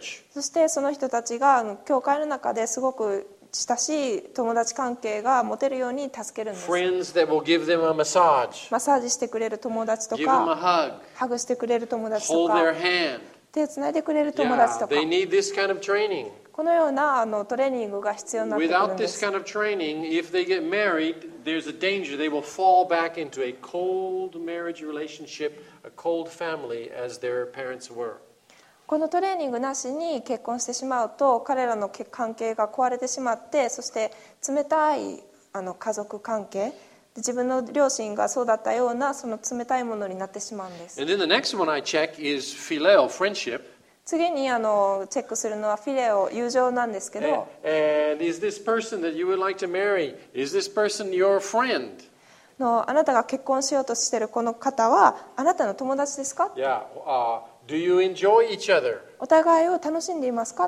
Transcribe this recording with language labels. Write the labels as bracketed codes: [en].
[ja] そしてその人たちが教会の中ですごく親しい友達関係が持てるように助けるんです。 [en] Friends that will give them a massage. [ja] マッサージしてくれる友達とか、 [en] give them a hug. [ja] ハグしてくれる友達とか、 [en] hold their hand. [ja] 手をつないでくれる友達とか、 [en] yeah, they need this kind of training. [ja] このようなトレーニングが必要になってくるんです。 [en] Without this kind of training, if they get married, there's a danger they will fall back into a cold marriage relationship, a cold family as their parents were. [ja] このトレーニングなしに結婚してしまうと彼らの関係が壊れてしまってそして冷たい家族関係自分の両親がそうだったようなその冷たいものになってしまうんです。 [en] And then the next one I check is phileo, friendship. [ja] 次にチェックするのはフィレオ友情なんですけど。 [en] And is this person that you would like to marry? Is this person your friend? [ja] のあなたが結婚しようとしているこの方はあなたの友達ですか [en] ？Yeah. Do you enjoy each other? [ja] お互いを楽しんでいますか